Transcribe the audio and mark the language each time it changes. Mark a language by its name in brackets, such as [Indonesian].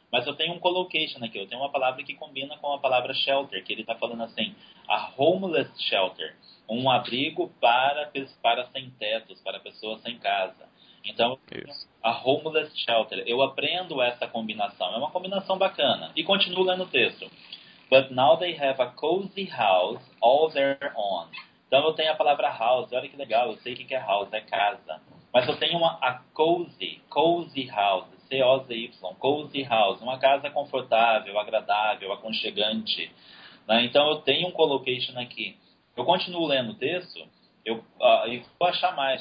[Portuguese] Mas eu tenho um collocation aqui, eu tenho uma palavra que combina com a palavra shelter, que ele está falando assim: [English] a homeless shelter, [Portuguese] um abrigo para sem tetos, para pessoas sem casa. Então, Isso. [English] a homeless shelter, [Portuguese] eu aprendo essa combinação, é uma combinação bacana. E continuo lendo o texto: [English] But now they have a cozy house all their own. [Portuguese] Então, eu tenho a palavra house, olha que legal, eu sei o que é house, é casa. Mas eu tenho [English] a cozy house. Cozy, cozy house, [Portuguese] uma casa confortável, agradável, aconchegante, né? Então eu tenho um collocation aqui. Eu continuo lendo o texto, eu vou achar mais.